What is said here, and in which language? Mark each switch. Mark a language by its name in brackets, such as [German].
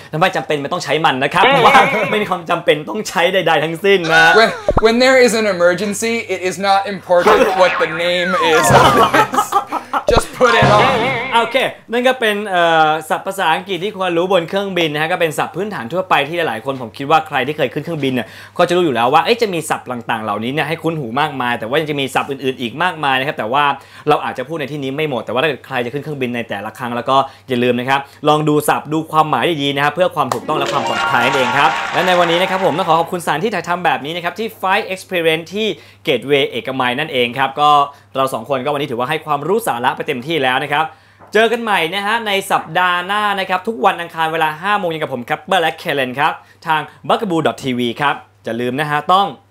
[Thai] ถ้าไม่จำเป็นไม่ต้องใช้มันนะครับเพราะว่าไม่มีความจำเป็นต้องใช้ใดๆทั้งสิ้นนะ [English] When there is an emergency, it is not important what the name is. Just put it on. Okay. [Thai] นั่นก็เป็นศัพท์ภาษาอังกฤษที่ควรรู้บนเครื่องบินนะฮะก็เป็นศัพท์พื้นฐานทั่วไปที่หลายๆคนผมคิดว่าใครที่เคยขึ้นเครื่องบินเนี่ยก็จะรู้อยู่แล้วว่าจะมีศัพท์ต่างๆเหล่านี้เนี่ยให้คุ้นหูมากมายแต่ว่ายังจะมีศัพท์อื่นๆอีกมากมายนะครับแต่ว่า เราอาจจะพูดในที่นี้ไม่หมดแต่ว่าถ้าใครจะขึ้นเครื่องบินในแต่ละครั้งแล้วก็อย่าลืมนะครับลองดูศัพท์ดูความหมายดีๆนะครับเพื่อความถูกต้องและความปลอดภัยเองครับและในวันนี้นะครับผมต้องขอขอบคุณสารที่ถ่ายทำแบบนี้นะครับที่ Fly Experience ที่เกตเวย์เอกมัยนั่นเองครับก็เรา2คนก็วันนี้ถือว่าให้ความรู้สาระไปเต็มที่แล้วนะครับเจอกันใหม่นะฮะในสัปดาห์หน้านะครับทุกวันอังคารเวลา 5:00 น.กับผมครับและเคเลนครับทาง bugaboo.tv ครับจะลืมนะฮะต้อง